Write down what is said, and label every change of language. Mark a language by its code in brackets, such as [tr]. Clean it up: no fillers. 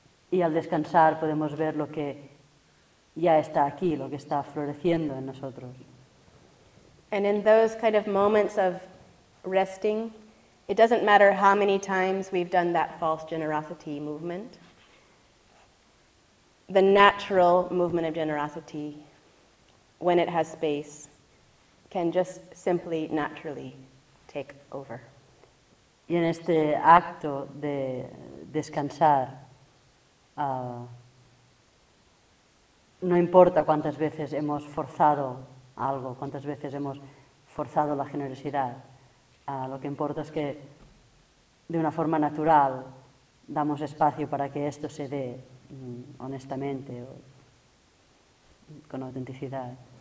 [es] Y al descansar podemos ver lo que ya está aquí, lo que está floreciendo en nosotros. [en] And in those kind of moments of resting, it doesn't matter how many times we've done that false generosity movement. The natural movement of generosity, when it has space, can just simply naturally take over. [es] Y en este acto de descansar, no importa cuántas veces hemos forzado algo, cuántas veces hemos forzado la generosidad, lo que importa es que de una forma natural damos espacio para que esto se dé honestamente o con autenticidad.